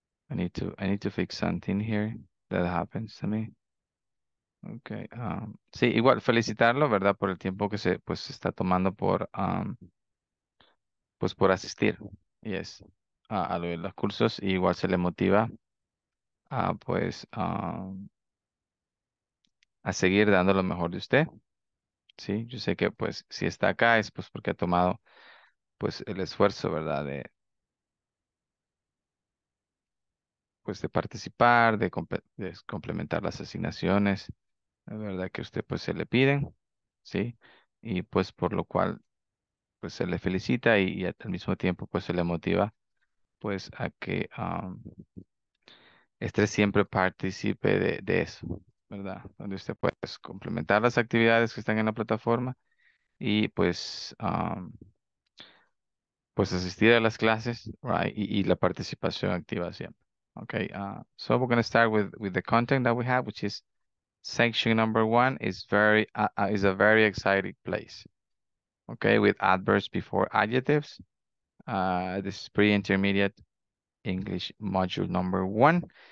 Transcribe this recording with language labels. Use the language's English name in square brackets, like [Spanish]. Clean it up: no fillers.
[English] I need to fix something here that happens to me. [Spanish] Okay. Sí, igual felicitarlo, ¿verdad? Por el tiempo que se pues está tomando por pues por asistir. Yes. A lo de los cursos y igual se le motiva a pues a seguir dando lo mejor de usted. Sí, yo sé que pues si está acá es pues porque ha tomado pues el esfuerzo, ¿verdad? De participar, de complementar las asignaciones, ¿verdad? Que usted pues se le piden, ¿sí? Y pues por lo cual pues se le felicita y al mismo tiempo pues se le motiva pues a que este siempre participe de eso, ¿verdad? Donde usted puede pues, complementar las actividades que están en la plataforma y pues pues asistir a las clases, right? Y la participación activa siempre. [English] Okay, so we're going to start with the content that we have, which is section number one is a very exciting place. Okay, with adverbs before adjectives. This is pre-intermediate English module number one.